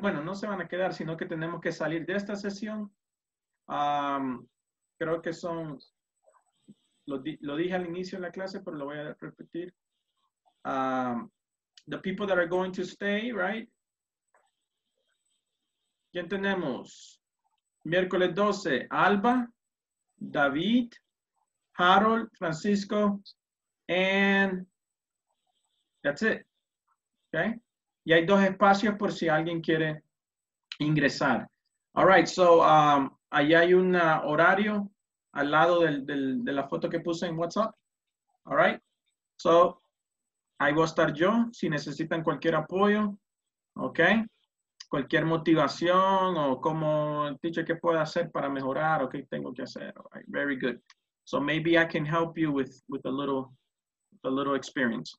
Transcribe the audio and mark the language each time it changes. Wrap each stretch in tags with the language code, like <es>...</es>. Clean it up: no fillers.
<es>Bueno, no se van a quedar, sino que tenemos que salir de esta sesión. Creo que son, lo dije al inicio de la clase, pero lo voy a repetir.</es> <en>The people that are going to stay, right?</en> <es>¿Quién tenemos? Miércoles 12, Alba, David, Harold, Francisco,</es> <en>and that's it. Okay?</en> <es>Y hay dos espacios por si alguien quiere ingresar.</es> <en>All right, so</en> <es>allá hay un horario al lado de la foto que puse en WhatsApp.</es> <en>All right?</en> <es>So, ahí voy a estar yo si necesitan cualquier apoyo. Okay? Cualquier motivación o como el teacher que pueda hacer para mejorar o qué tengo que hacer.</es> <en>All right, very good. So maybe I can help you with a little experience.</en>